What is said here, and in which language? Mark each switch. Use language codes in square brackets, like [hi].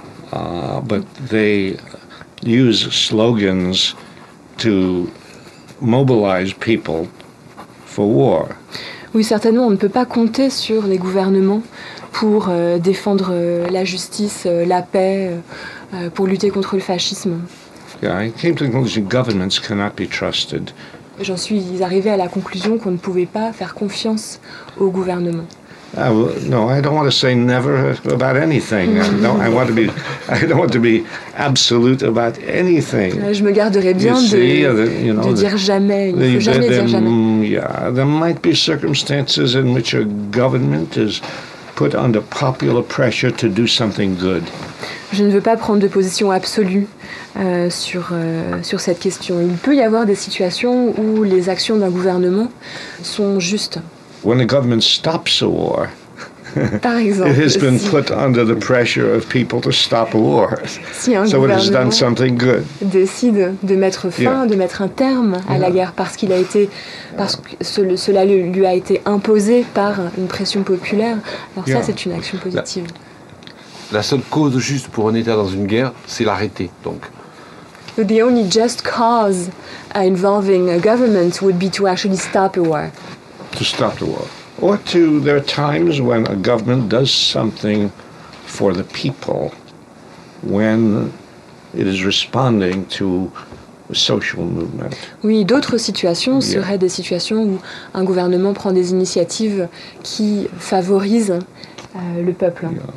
[en] But they use slogans to mobilize people for war. [fr] Oui, certainement, on ne peut pas compter sur les gouvernements pour défendre la justice, la paix, pour lutter contre le fascisme. [en] Yeah, I came to the conclusion governments cannot be trusted. [fr] J'en suis arrivé à la conclusion qu'on ne pouvait pas faire confiance au gouvernement. [en] No, I don't want to say never about anything. No, I don't want to be absolute about anything. [fr] Je me garderai bien de dire jamais. [en] Yeah, there might be circumstances in which a government is put under popular pressure to do something good. [fr] Je ne veux pas prendre de position absolue sur cette question. Il peut y avoir des situations où les actions d'un gouvernement sont justes. [en] When the government stops a war, [fr] par exemple, [en] it has been put under the pressure of people to stop a war. [fr] Si un [en] so it has done something good. [fr] Décide de mettre fin, de mettre un terme à la guerre parce qu'il a été, parce que cela lui a été imposé par une pression populaire. Alors ça, c'est une action positive. La seule cause juste pour un État dans une guerre, c'est l'arrêter. Donc. [en] The only just cause involving a government would be to actually stop a war. To stop the war. Or to, there are times when a government does something for the people when it is responding to social movement. [fr] Oui, d'autres situations seraient des situations où un gouvernement prend des initiatives qui favorisent le peuple.